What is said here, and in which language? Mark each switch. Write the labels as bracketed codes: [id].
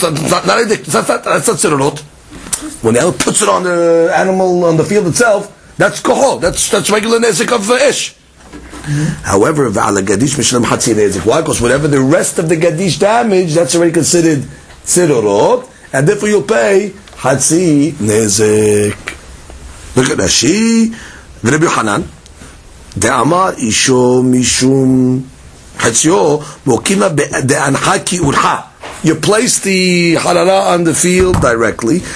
[en] That's not sirorot. When the animal puts it on the animal on the field itself, that's kohol. That's regular nezek of ish. However, v'ala gadish mishalem hatsi nezek. Why? Because whatever the rest of the gadish damage, that's already considered sirorot, and therefore you'll pay hatsi nezek. Look at that. She, Rabbi Yochanan. [arc] דאמר אישו משום חציו מוקימה דאנחה כי אורחה. [en] You place the חררה on the field directly.